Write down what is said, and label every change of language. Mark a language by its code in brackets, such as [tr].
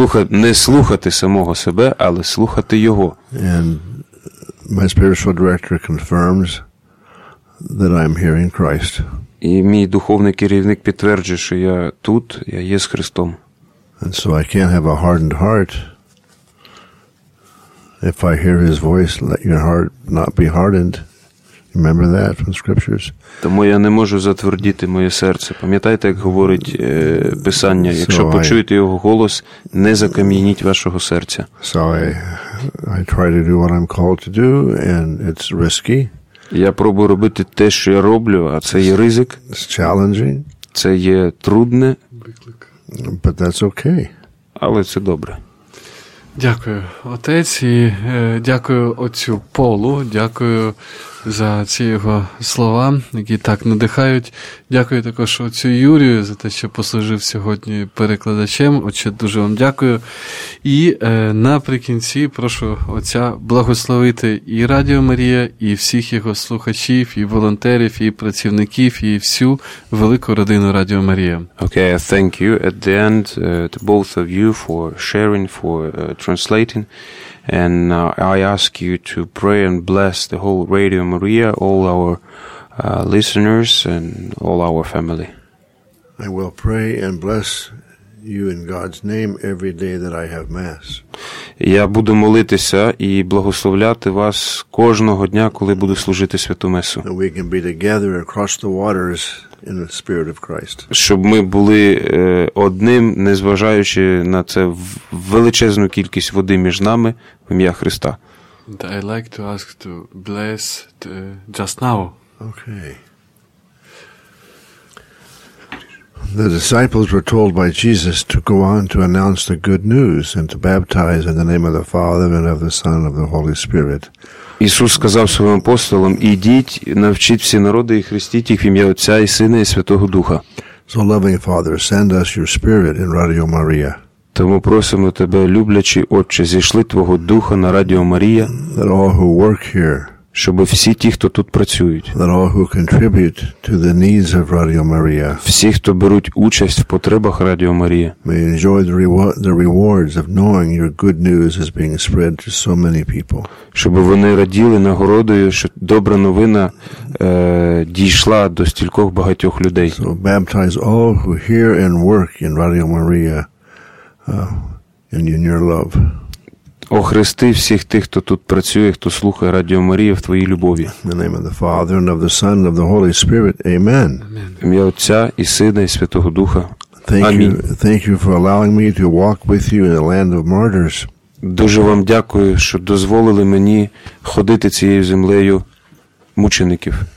[uk] Не слухати самого себе, але слухати його. [en] And my spiritual director confirms that I am here in Christ. [uk] І мій духовний керівник підтверджує, що я тут, я є з Христом. [en] And so I can't have a hardened heart. If I hear his voice, let your heart not be hardened. Remember that from scriptures. [uk] Тому я не можу затвердіти моє серце. Пам'ятайте, як говорить Писання, якщо почуєте його голос, не закам'яніть вашого серця. [en] So I try to do what I'm called to do and it's risky. [uk] Я пробую робити те, що я роблю, а це є ризик. [en] It's challenging. [uk] Це є трудне. [en] But that's okay. [uk] Але це добре. Дякую, отець, і дякую отцю Полу, дякую за ці його слова, які так надихають. Дякую також отцю Юрію за те, що послужив сьогодні перекладачем. Отче, дуже вам дякую. І наприкінці прошу отця благословити і Радіо Марія, і всіх його слухачів, і волонтерів, і працівників, і всю велику родину Радіо Марія. [en] Okay, thank you at the end to both of you for sharing, for translating. And I ask you to pray and bless the whole Radio Maria, all our listeners and all our family. I will pray and bless you in God's name every day that I have Mass. [uk] Я буду молитися і благословляти вас кожного дня, коли буду служити святу месу. [en] That we can be together across the waters in the Spirit of Christ. [uk] Щоб ми були одним, незважаючи на це величезну кількість води між нами в ім'я Христа. [en] And I'd like to ask to bless just now. Okay. The disciples were told by Jesus to go on to announce the good news and to baptize in the name of the Father and of the Son and of the Holy Spirit. [uk] Ісус сказав своїм апостолам: «Ідіть, навчіть всі народи і хрестіть їх в ім'я Отця і Сина і Святого Духа». [en] So loving Father, send us your Spirit in Radio Maria. [uk] Тому просимо тебе, люблячий Отче, зійшли твого Духа на Радіо Марія. [en] That all who work here, [uk] щоб всі ті, хто тут працюють, [en] that all who contribute to the needs of Radio Maria, [uk] всі, хто беруть участь в потребах Радіо Марія, [en] may enjoy the rewards of knowing your good news is being spread to so many people. [uk] Щоб вони раділи нагородою, що добра новина дійшла до стількох багатьох людей. [en] So baptize all who hear and work in Radio Maria in your love. [uk] Охрести всіх тих, хто тут працює, хто слухає Радіо Марія, в твоїй любові. [en] In the name of the Father, and of the Son, and of the Holy Spirit. Amen. [uk] Ім'я Отця і Сина, і Святого Духа. Амінь. Thank you for allowing me to walk with you in the land of martyrs. Дуже вам дякую, що дозволили мені ходити цією землею мучеників.